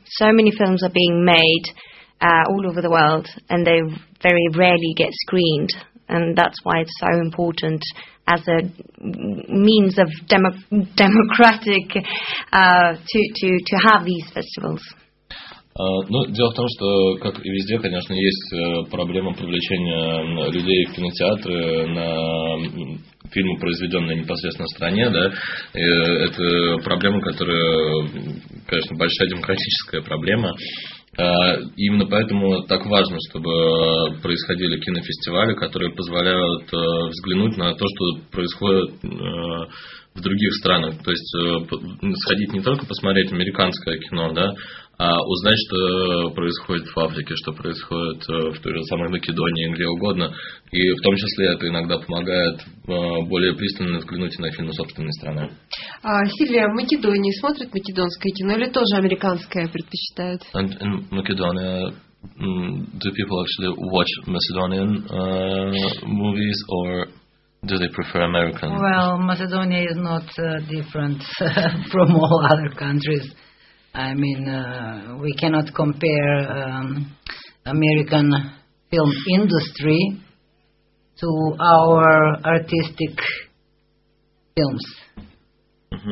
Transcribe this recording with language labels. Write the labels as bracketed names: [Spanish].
[English] So many films are being made all over the world and they very rarely get screened. And that's why it's so important as a means of democratic to have these festivals. [Russian] Ну, дело в том, что, как и везде, конечно, есть проблема привлечения людей в кинотеатры на фильмы, произведенные непосредственно в стране, да, и это проблема, которая, конечно, большая демократическая проблема. Именно поэтому так важно, чтобы происходили кинофестивали, которые позволяют взглянуть на то, что происходит в других странах. То есть сходить не только посмотреть американское кино, да, а узнать, что происходит в Африке, что происходит в той же самой Македонии, где угодно. И в том числе это иногда помогает более пристально взглянуть на фильмы собственной страны. А Сильвия, Македония смотрит македонское кино или тоже американское предпочитает? [English] In Macedonia, do people actually watch Macedonian movies or do they prefer American? Well, Macedonia is not different from all other countries. I mean, we cannot compare American film industry to our artistic films. Mm-hmm.